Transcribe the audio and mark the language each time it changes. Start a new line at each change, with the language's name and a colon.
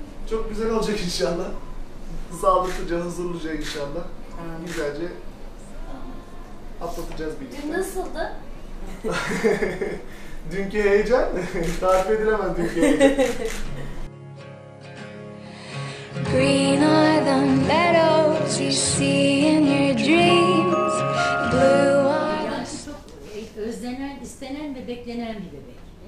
Turkish: Çok güzel olacak inşallah. Sağlıklıca, huzurlu olacak inşallah. Güzelce atlatacağız birlikte. Dün nasıldı? Dünkü heyecan tarif edilemez dünkü heyecan.
English: Green are the meadows you see in your dreams. Blue are the...
Turkish: Yani çok özlenen, istenen ve beklenen bir bebek.